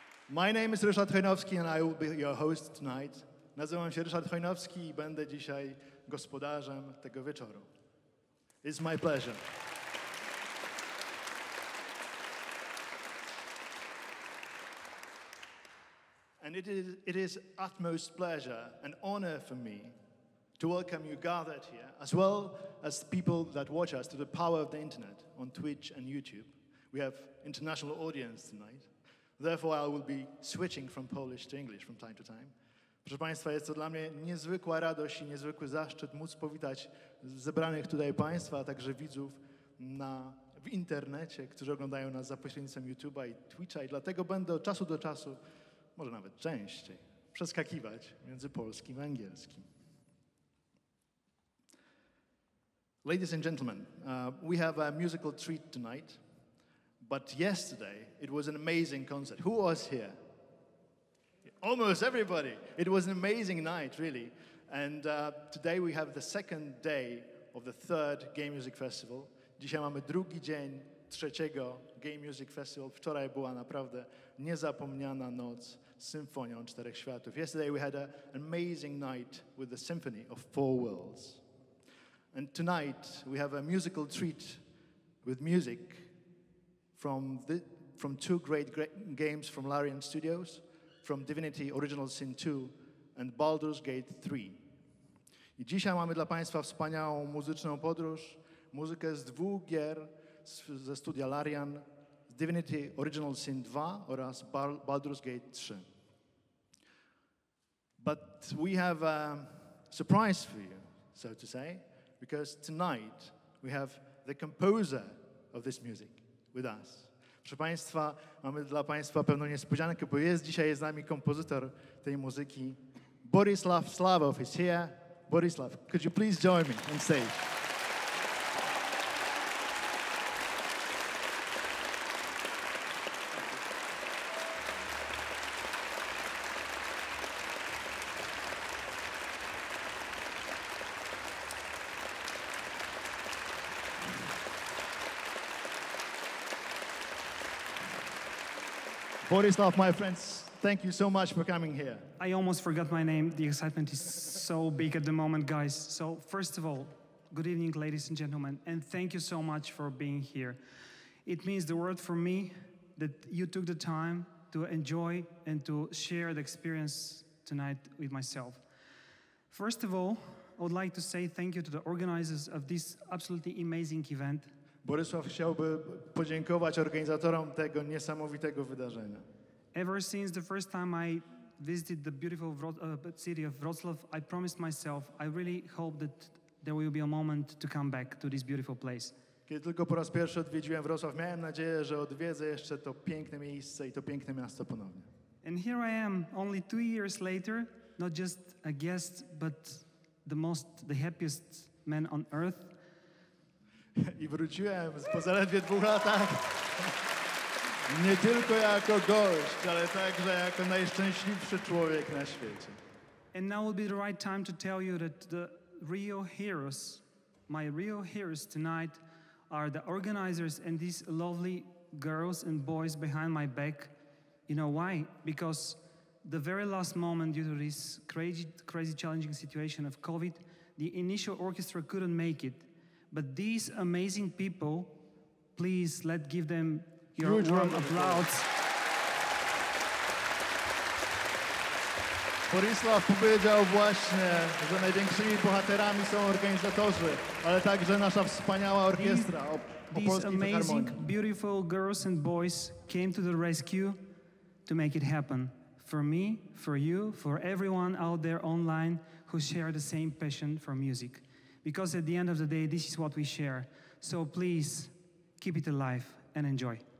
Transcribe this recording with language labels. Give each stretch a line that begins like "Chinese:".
English: My name is Ryszard Chojnowski and I will be your host tonight.
Polish: Nazywam się Ryszard Chojnowski I będę dzisiaj gospodarzem tego wieczoru.
English: It's my pleasure. And it is utmost pleasure and honor for me to welcome you gathered here, as well as people that watch us through the power of the internet on Twitch and YouTube. We have international audience tonight. Therefore, I will be switching from Polish to English from time to time.
Polish: Proszę Państwa, jest to dla mnie niezwykła radość I niezwykły zaszczyt móc powitać zebranych tutaj Państwa, a także widzów w internecie, którzy oglądają nas za pośrednictwem YouTube'a I Twitcha. I dlatego będę od czasu do czasu, może nawet częściej, przeskakiwać między polskim a angielskim.
English: Ladies and gentlemen, we have a musical treat tonight. But yesterday, it was an amazing concert. Who was here? Almost everybody. It was an amazing night, really. And today we have the second day of the third Gay Music Festival.
Polish: Dzisiaj mamy drugi dzień trzeciego Gay Music Festival. Wczoraj była naprawdę niezapomniana noc z Symfonią Czterech Światów.
English: Yesterday we had an amazing night with the Symphony of Four Worlds. And tonight we have a musical treat with music from two great games from Larian Studios, from Divinity Original Sin 2 and Baldur's Gate 3.
Polish: I dzisiaj mamy dla Państwa wspaniałą muzyczną podróż, muzykę z dwóch gier ze studia Larian, Divinity Original Sin 2 oraz Baldur's Gate 3.
English: But we have a surprise for you, so to say, because tonight we have the composer of this music with us.
Polish: Proszę Państwa, mamy dla Państwa pewną niespodziankę, bo jest dzisiaj z nami kompozytor tej muzyki.
English: Borislav Slavov is here. Borislav, could you please join me on stage? Borislav, my friends, thank you so much for coming here. I almost forgot my name. The excitement is so big at the moment, guys. So first of all, good evening, ladies and gentlemen, and thank you so much for being here. It means the world for me that you took the time to enjoy and to share the experience tonight with myself. First of all, I would like to say thank you to the organizers of this absolutely amazing event.
Polish: Borislav chciałby podziękować organizatorom tego niesamowitego wydarzenia.
English: Ever since the first time I visited the beautiful city of Wrocław, I promised myself, I really hope that there will be a moment to come back to this beautiful place.
Polish: Kiedy tylko po raz pierwszy odwiedziłem Wrocław, miałem nadzieję, że odwiedzę jeszcze to piękne miejsce I to piękne miasto ponownie.
English: And here I am, only 2 years later, not just a guest, but the happiest man on earth.
Polish: I wróciłem po zaledwie 2 latach nie tylko jako gość, ale także jako najszczęśliwszy człowiek na świecie.
English: And now will be the right time to tell you that the real heroes, my real heroes tonight are the organizers and these lovely girls and boys behind my back. You know why? Because the very last moment due to this crazy challenging situation of COVID, the initial orchestra couldn't make it. But these amazing people, please let's give them your huge warm applause.
Polish: Borislav powiedział właśnie, że największymi bohaterami są organizatorzy, ale także nasza wspaniała orkiestra Opolskiej Filharmonii.
English: These amazing, beautiful girls and boys came to the rescue to make it happen. For me, for you, for everyone out there online who share the same passion for music. Because at the end of the day, this is what we share. So please, keep it alive and enjoy.